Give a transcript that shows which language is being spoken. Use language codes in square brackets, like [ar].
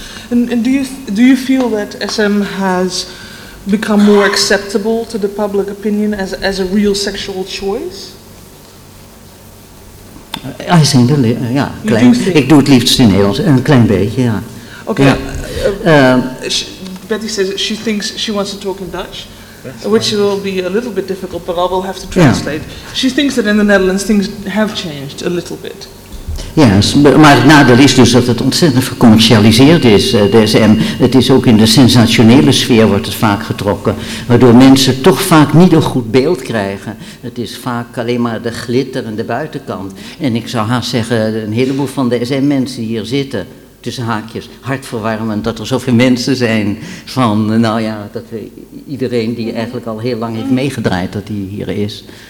[en] And do you feel that SM has become more acceptable to the public opinion as a real sexual choice? I think, [nl] ik doe het liefst in Nederlands, een klein beetje, ja. [en] Okay, yeah. Betty says she thinks she wants to talk in Dutch. That's which funny. Will be a little bit difficult, but I will have to translate. Yeah. She thinks that in the Netherlands things have changed a little bit. [nl] Yes, maar het nadeel is dus dat het ontzettend vercommercialiseerd is, de SM. Het is ook in de sensationele sfeer wordt het vaak getrokken, waardoor mensen toch vaak niet een goed beeld krijgen. Het is vaak alleen maar de glitter en de buitenkant. En ik zou haast zeggen, een heleboel van de SM-mensen hier zitten, tussen haakjes, hartverwarmend, dat er zoveel mensen zijn van, nou ja, dat we iedereen die eigenlijk al heel lang heeft meegedraaid, dat die hier is.